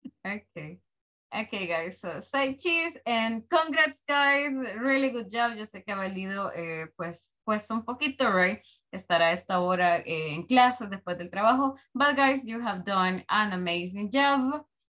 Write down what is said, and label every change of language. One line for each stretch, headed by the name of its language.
English: Okay, guys, so side cheese and congrats, guys. Really good job.
Spanish: Yo sé que ha valido, pues un poquito,
English: right?
Spanish: Estar a esta hora en clases después del trabajo.
English: But guys, you have done an amazing job.